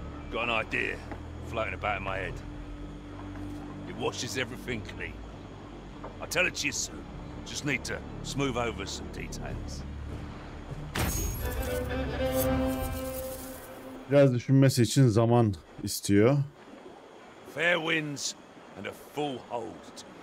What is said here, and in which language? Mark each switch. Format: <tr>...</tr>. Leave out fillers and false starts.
<en>Got an idea floating about in my head. It washes everything clean. I'll tell it to you soon. Just need to smooth over some details.</en> <tr>Biraz düşünmesi için zaman istiyor.</tr> <en>Fair winds and a full hold.</en>